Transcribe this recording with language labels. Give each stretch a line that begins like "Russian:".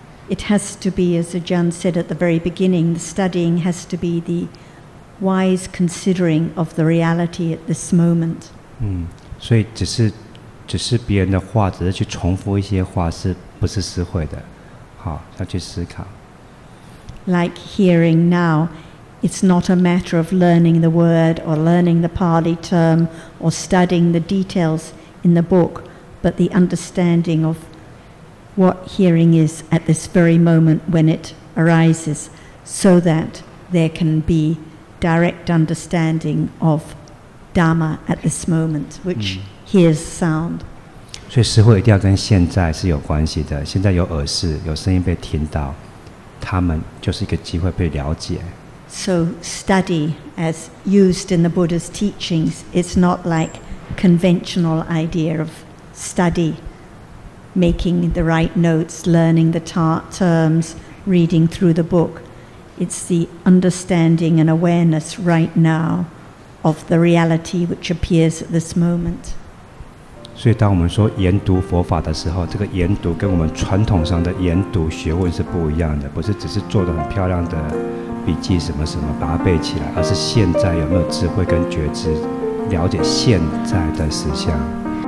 English: It has to be, as Ajahn said at the very beginning, the studying has to be the wise considering of the reality at this moment.
Chinese: 所以只是别人的话，只是去重复一些话，是不是思慧的？好，要去思考。
English: Like hearing now. It's not a matter of learning the word or learning the Pali term or studying the details in the book, but the understanding of what hearing is at this very moment when it arises, so that there can be direct understanding of Dhamma at this moment, which hears sound.
Chinese: 所以时候一定要跟现在是有关系的，现在有耳识，有声音被听到，他们就是一个机会被了解。
English: So study, as used in the Buddha's teachings, is not like conventional idea of study, making the right notes, learning the terms, reading through the book. It's the understanding and awareness right now of the reality which appears at this moment.
Chinese: 所以当我们说研读佛法的时候，这个研读跟我们传统上的研读学问是不一样的，不是只是做得很漂亮的笔记什么什么把它背起来，而是现在有没有智慧跟觉知，了解现在的实相。